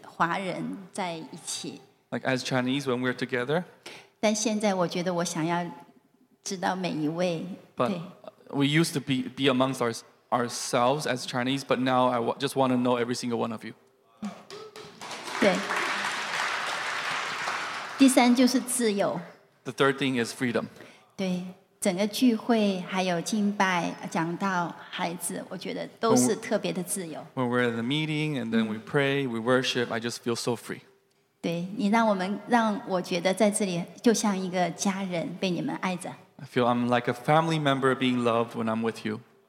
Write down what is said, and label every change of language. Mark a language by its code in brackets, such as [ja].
[zh] 我以前就常常会，就是我们自己的华人在一起。 [en] Like as Chinese when we're together. [zh] 但现在我觉得我想要知道每一位。 [en] But we used to be amongst ourselves as Chinese, but now I just want to know every single one of you. [zh] 对。第三就是自由。 [en] The third thing is freedom. [zh] 对，整个聚会还有敬拜、讲道、孩子，我觉得都是特别的自由。 [en] When we're in the meeting and then we pray, we worship, I just feel so free. [zh] 对，你让我们让我觉得在这里就像一个家人，被你们爱着。 [en] I feel I'm like a family member being loved when I'm with you.